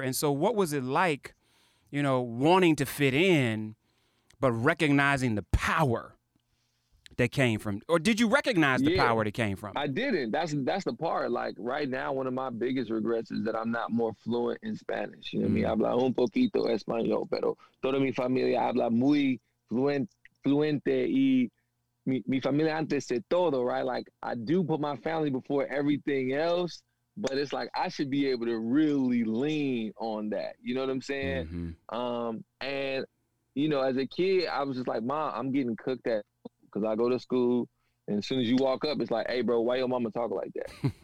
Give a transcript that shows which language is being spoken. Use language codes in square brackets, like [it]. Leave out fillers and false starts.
[en] And so, what was it like, you know, wanting to fit in, but recognizing the power that came from, or did you recognize the power that came from? I didn't. That's the part. Like, right now, one of my biggest regrets is that I'm not more fluent in Spanish. You know what I mean? [es] Habla un poquito español, pero toda mi familia habla muy fluente y mi familia antes de todo, [en] right? Like, I do put my family before everything else, but it's like, I should be able to really lean on that. You know what I'm saying? Mm-hmm. And, you know, as a kid, I was just like, Mom, I'm getting cooked at... Because I go to school, and as soon as you walk up, it's like, hey, bro, why your mama talk like that?